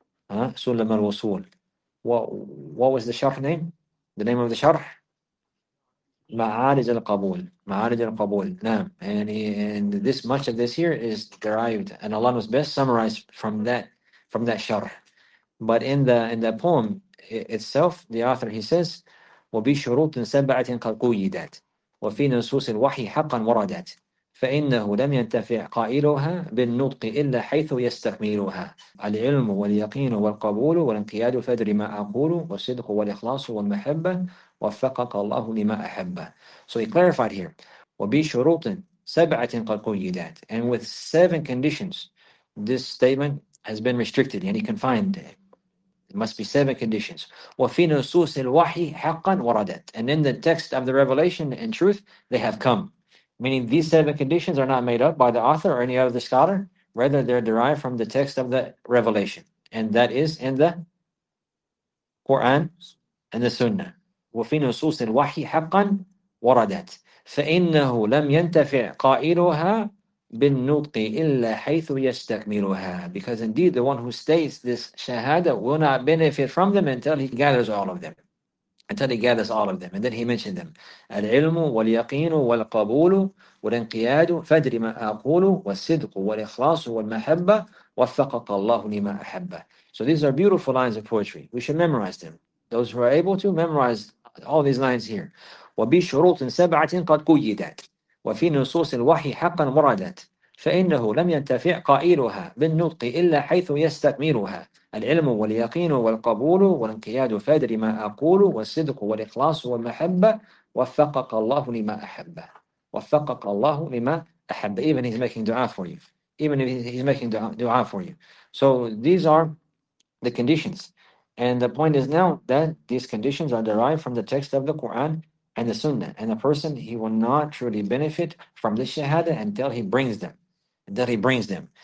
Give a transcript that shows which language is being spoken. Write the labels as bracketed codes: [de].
[en] Huh? Sulam al-Wusul. What was the sharh name? The name of the sharh? Ma'arij al-Qabul. Ma'arij al-Qabul. Naam. And this much of this here is derived, and Allah knows best, summarized from that sharh. But in the poem itself, the author, he says, [ar] وبشروط سبعة كالقويدات وفي نصوص الوحي حقا وردت فإنه لم ينتفع قائلها بالنطق إلا حيث يستكملها العلم واليقين والقبول والانقياد فأدري ما أقول والصدق والإخلاص والمحبة وفقك الله لما أحبه. [en] So he clarified here. [ar] وبشروط سبعة كالقويدات. [en] And with seven conditions, this statement has been restricted, yani confined. Must be seven conditions. [ar] وفي نصوص الوحي حقا وردت. [en] And in the text of the revelation, in truth, they have come. Meaning these seven conditions are not made up by the author or any other scholar. Rather, they're derived from the text of the revelation. And that is in the Quran and the Sunnah. [ar] وفي نصوص الوحي حقا وردت. فإنه لم ينتفع قائلها بالنطق إلا حيث يستكملها. [en] Because indeed the one who states this shahada will not benefit from them until he gathers all of them. Until he gathers all of them. And then he mentioned them. [ar] العلم واليقين والقبول والانقياد فادري ما أقول والصدق والإخلاص والمحبة وفقك الله لما أحب. [en] So these are beautiful lines of poetry. We should memorize them. Those who are able to memorize all these lines here. [ar] وبشروط سبعة قد قيدت وفي نصوص الوحي حقا وردت فإنه لم ينتفع قائلها بالنطق إلا حيث يستكملها العلم واليقين والقبول والانقياد فادر ما أقول والصدق والإخلاص والمحبة وفقك الله لما أحب وفقك الله لما أحب. [en] Even he's making dua for you. Even if he's making dua for you. So these are the conditions. And the point is now that these conditions are derived from the text of the Quran and the Sunnah, and the person, he will not truly benefit from the Shahada until he brings them. Until he brings them.